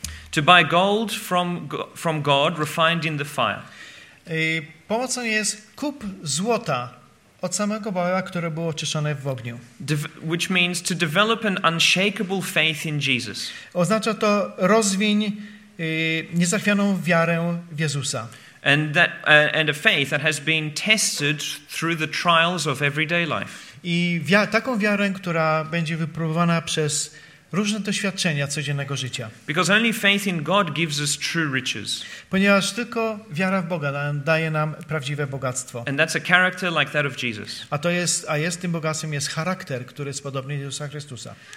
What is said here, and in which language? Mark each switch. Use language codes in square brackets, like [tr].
[en] To buy gold from God refined in the fire. [pl] Pomocą jest kup złota od samego Boga, które było oczyszczone w ogniu. [en] Which means to develop an unshakable faith in Jesus. [pl] Oznacza to rozwiń niezachwianą wiarę w Jezusa. [en] And a faith that has been tested through the trials of everyday life. [pl] I taką wiarę, która będzie wypróbowana przez różne doświadczenia codziennego życia. [en] Because only faith in God gives us true riches. [pl] Ponieważ tylko wiara w Boga daje nam prawdziwe bogactwo. [en] And that's a character like that of Jesus. [pl] A jest tym bogactwem jest charakter, który jest podobny do Jezusa Chrystusa.